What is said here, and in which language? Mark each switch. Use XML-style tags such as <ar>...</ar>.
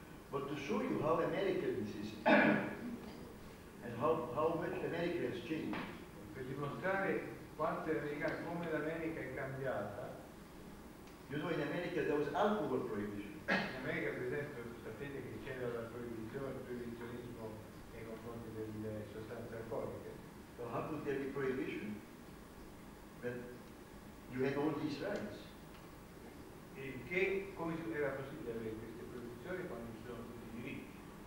<en>But to show you how American this is. And how much America has changed.</en> <it>Per dimostrare quanto è americano, come l'America è cambiata.</it> <en>You know, in America there was alcohol prohibition.</en> <it>In America, per esempio, sapete che c'era la proibizione, il proibizionismo nei confronti delle sostanze alcoliche.</it> <en>So how could there be prohibition when you had all these rights?</en> <it>E che come era possibile avere queste proibizioni quando ci sono tutti i diritti?</it>